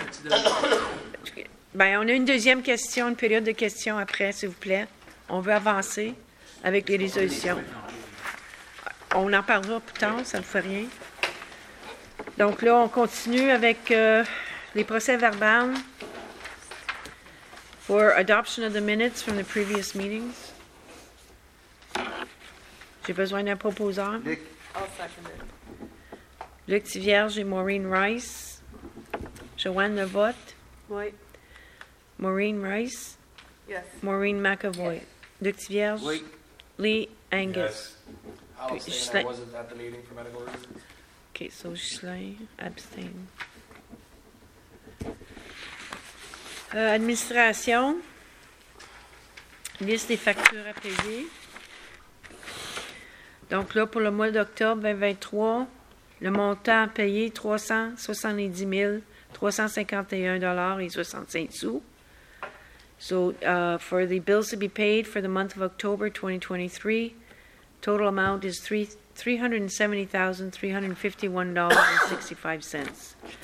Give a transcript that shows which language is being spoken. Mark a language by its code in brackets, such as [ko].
[fr] On a une deuxième question, une période de questions après, s'il vous plaît. On veut avancer avec les résolutions. On en parlera plus tard, ça ne fait rien. Donc là, on continue avec les procès-verbaux. [en] For adoption of the minutes from the previous meetings. [fr] J'ai besoin d'un proposeur. Luc. [en] I'll second it. [fr] Luc Thivierge et Maureen Rice. Joanne Levotte. Oui. Maureen Rice. [en] Yes. Maureen McAvoy. Yes. Luc Thivierge. [fr] Oui. Lee Angus. [en] Yes. I wasn't at the meeting for medical reasons. Okay, so Schlein, abstain. [fr] Administration, liste des factures à payer. Donc là, pour le mois d'octobre 2023, le montant à payer, $370,351.65. [en] So, for the bills to be paid for the month of October 2023, total amount is $370,351.65.